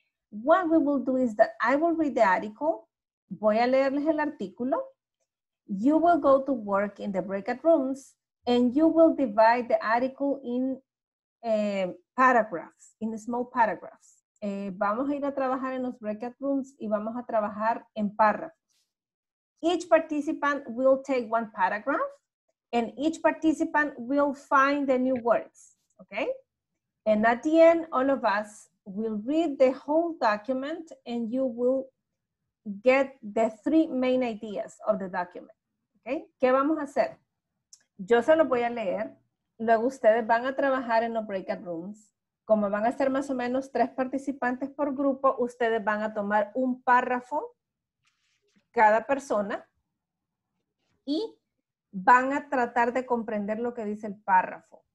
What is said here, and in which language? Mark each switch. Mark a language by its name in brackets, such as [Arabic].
[English] What we will do is that I will read the article, [Spanish] voy a leerles el artículo, [English] you will go to work in the breakout rooms, and you will divide the article in paragraphs, in small paragraphs. [Spanish] Vamos a ir a trabajar en los breakout rooms y vamos a trabajar en párrafos. [English] Each participant will take one paragraph, and each participant will find the new words, okay? And at the end, all of us will read the whole document and you will get the 3 main ideas of the document. Okay. [Spanish] ¿Qué vamos a hacer? Yo se lo voy a leer, luego ustedes van a trabajar en los breakout rooms. Como van a ser más o menos 3 participantes por grupo, ustedes van a tomar un párrafo cada persona y van a tratar de comprender lo que dice el párrafo.